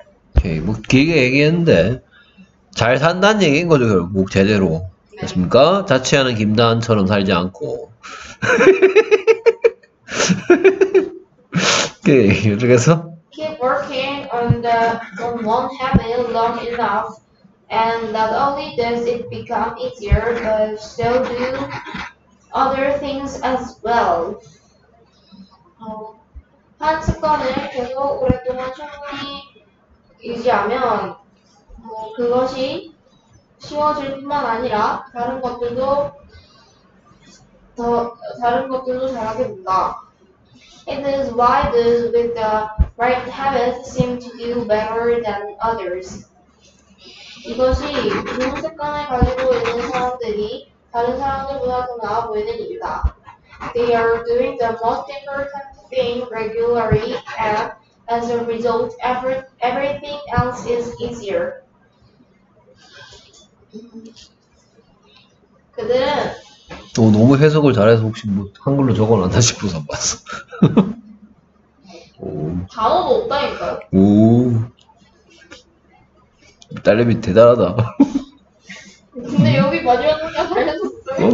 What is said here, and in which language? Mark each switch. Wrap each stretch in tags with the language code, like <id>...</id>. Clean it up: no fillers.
<ko>오케이, 뭐 길게 얘기했는데, 잘 산다는 얘기인 거죠, 결국, 제대로. 맞습니까? 네. 자취하는 김다한처럼 살지 않고. 오케이, 그래서?</ko> <en>Keep working on one habit long enough, and not only does it become easier, but so do other things as well.</en> <ko>한 습관을 계속 오랫동안 충분히 유지하면, 그것이 쉬워질 뿐만 아니라 다른 것들도 잘하게 된다.</ko> <en>It is why those with the right habits seem to do better than others.</en> <ko>이것이 좋은 습관을 가지고 있는 사람들이 다른 사람들보다 더 나아 보이는 일이다.</ko> <en>They are doing the most important thing regularly, and as a result, everything else is easier.</en> <ko>그들은 너무 해석을 잘해서 혹시 뭐 한글로 적어놨나 싶어서 안 봤어. 단어도 없다니까요. 오. 딸내미 대단하다. 근데 여기 마지막 문장 잘해줬어요.</ko>